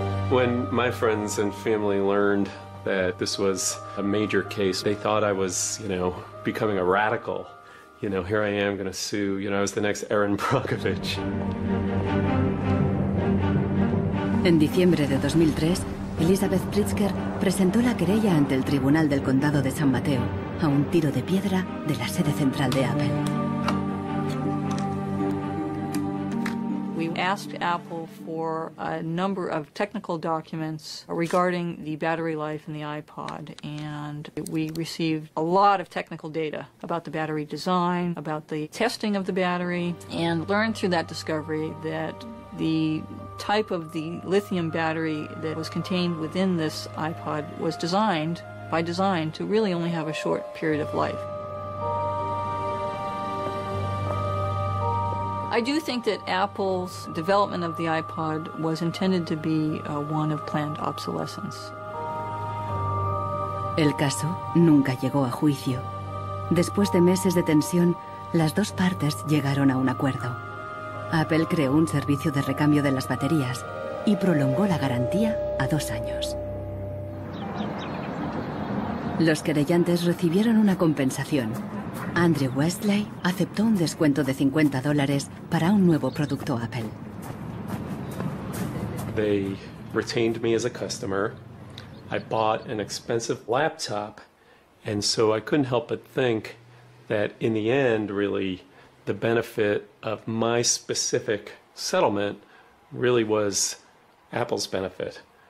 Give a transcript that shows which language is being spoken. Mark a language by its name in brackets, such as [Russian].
[English] When my friends and family learned that this was a major case, they thought I was, you know, becoming a radical. You know, here I am gonna sue, you know, I was the next Aaron Brockovich. [Spanish] En diciembre de 2003, Elizabeth Pritzker presentó la querella ante el Tribunal del Condado de San Mateo, a un tiro de piedra de la sede central de Apple. [English] We asked Apple for a number of technical documents regarding the battery life in the iPod, and we received a lot of technical data about the battery design, about the testing of the battery, and learned through that discovery that the type of the lithium battery that was contained within this iPod was designed, by design, to really only have a short period of life. I do think that Apple's development of the iPod was intended to be one of planned obsolescence. [Spanish] El caso nunca llegó a juicio. Después de meses de tensión, las dos partes llegaron a un acuerdo. Apple creó un servicio de recambio de las baterías y prolongó la garantía a 2 años. Los querellantes recibieron una compensación. Andrew Wesley aceptó un descuento de $50 para un nuevo producto Apple. [English] They retained me as a customer. I bought an expensive laptop, and so I couldn't help but think that in the end, really, the benefit of my specific settlement really was Apple's benefit.